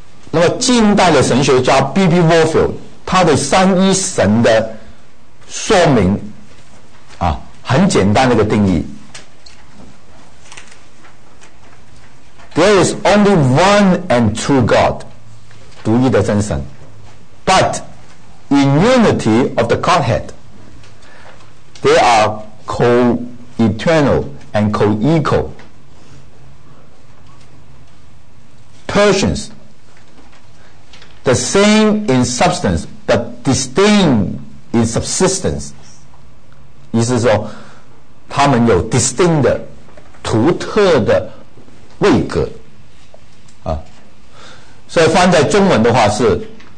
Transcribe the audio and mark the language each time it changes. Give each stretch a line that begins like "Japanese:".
Chinese: 那么近代的神学家 B.B. Warfield。 他的三一神的说明啊，很简单的一个定义 ：
English: There is only one and true God，
Chinese: 独一的真神。
English: But in unity of the Godhead， they are co-eternal and co-equal persons， the same in substance。 But distinct in subsistence，
Chinese: 意思是说他们有 distinct 的独特的位格啊，所以翻在中文的话是